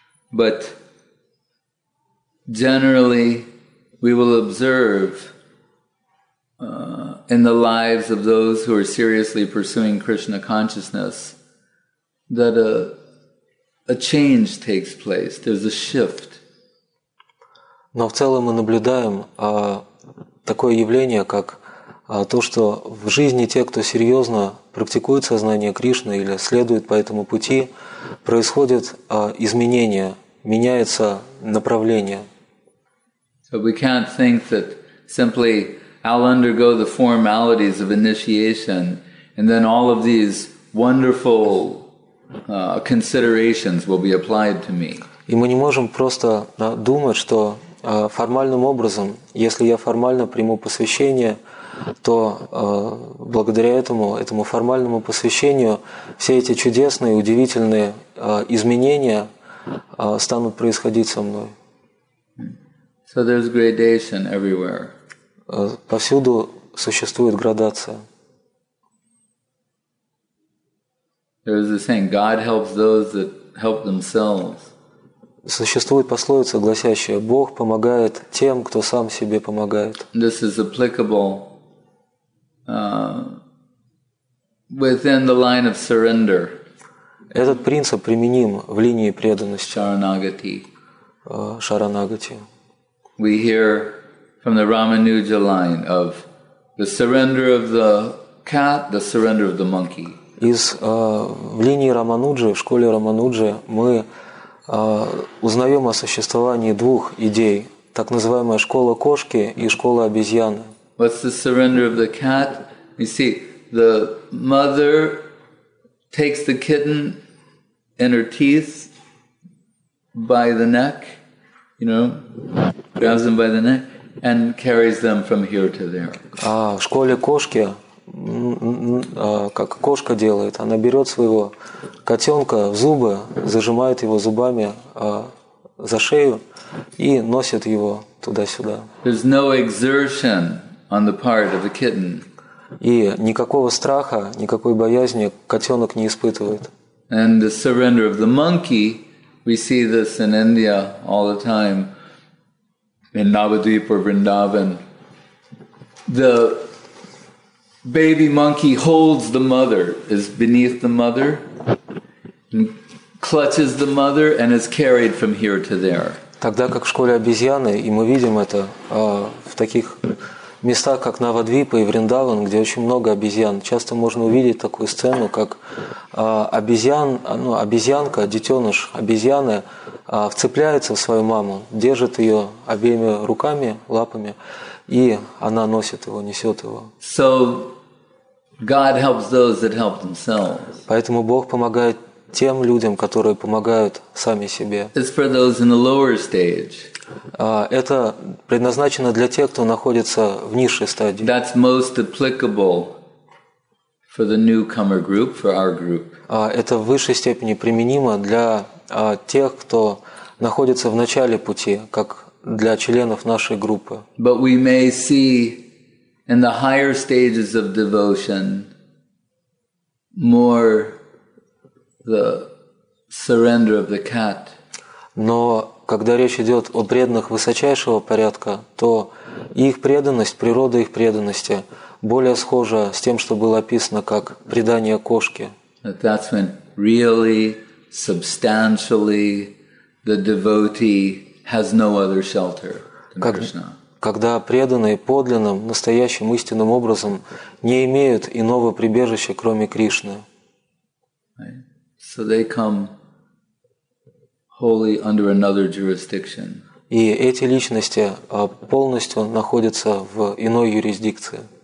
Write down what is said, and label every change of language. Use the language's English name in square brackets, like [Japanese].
[English] But generally we will observe in the lives of those who are seriously pursuing Krishna consciousness that a change takes place, there's a shift. [Russian] Но в целом мы наблюдаем такое явление, как то, что в жизни те, кто серьезно практикует сознание Кришны или следует по этому пути, происходит изменение, меняется направление. [English] So we can't think that simply I'll undergo the formalities of initiation and then all of these wonderful considerations will be applied to me. [Russian] И мы не можем просто думать, что формальным образом, если я формально приму посвящение, то благодаря этому формальному посвящению все эти чудесные, удивительные изменения станут происходить со мной. [English] So there's gradation everywhere. [Russian] Повсюду существует градация. [English] There's the saying, God helps those that help themselves. [Russian] Существует пословица, гласящая: Бог помогает тем, кто сам себе помогает. [English] This is applicable within the line of surrender. [Russian] Этот принцип применим в линии преданности. Шаранагати. Шаранагати. [English] We hear from the Ramanuja line of the surrender of the cat, the surrender of the monkey. [Russian] Из в линии Рамануджи, в школе Рамануджи, мы узнаем о существовании двух идей, так называемая школа кошки и школа обезьяны. [English] What's the surrender of the cat? You see, the mother takes the kitten in her teeth by the neck, you know, grabs them by the neck and carries them from here to there. [Russian] А в школе кошки, как кошка делает, она берет своего котенка в зубы, зажимает его зубами за шею и носит его туда-сюда. [English] There's no exertion on the part of the kitten. [Russian] И никакого страха, никакой боязни котенок не испытывает. [English] And the surrender of the monkey, we see this in India all the time, in Navadvip or Vrindavan. The baby monkey holds the mother, is beneath the mother, and clutches the mother, and is carried from here to there. [Russian] Тогда как в школе обезьяны, и мы видим это в таких местах, как Навадвипа и Вриндаван, где очень много обезьян, часто можно увидеть такую сцену, как обезьянка, детеныш обезьяны вцепляется в свою маму, держит ее обеими руками, лапами, и она носит его, несет его. [English] So God helps those that help themselves. [Russian] Поэтому Бог помогает тем людям, которые помогают сами себе. [English] It's for those in the lower stage. [Russian] Это предназначено для тех, кто находится в низшей стадии. [English] That's most applicable for the newcomer group, for our group. [Russian] Это в высшей степени применимо для тех, кто находится в начале пути, как для членов нашей группы. [English] But we may see in the higher stages of devotion more the surrender of the cat. [Russian] Но когда речь идет о преданных высочайшего порядка, то их преданность, природа их преданности более схожа с тем, что было описано как предание кошки. [English] That's when really, substantially, the devotee has no other shelter than Krishna. [Russian] Когда преданные подлинным, настоящим, истинным образом не имеют иного прибежища, кроме Кришны. [English] Right. So they come wholly under another jurisdiction. [Russian] И эти личности полностью находятся в иной юрисдикции.